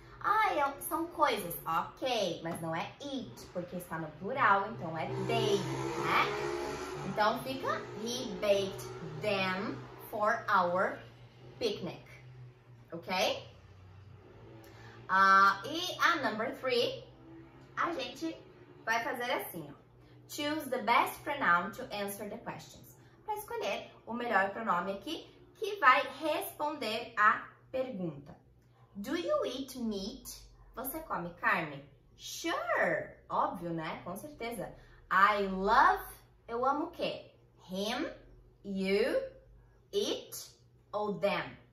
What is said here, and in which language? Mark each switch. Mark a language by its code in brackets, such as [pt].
[pt] Ah, são coisas. Ok, mas não é it, porque está no plural, então é they, né? Então, fica [en] he baked them for our picnic, [pt] ok? E a number three, a gente vai fazer assim, ó. [en] Choose the best pronoun to answer the questions. [pt] Para escolher o melhor pronome aqui, que vai responder a pergunta. [en] Do you eat meat? [pt] Você come carne? [en] Sure! [pt] Óbvio, né? Com certeza. [en] I love, [pt] eu amo o quê? [en] Him, you, it [pt] ou [en] them?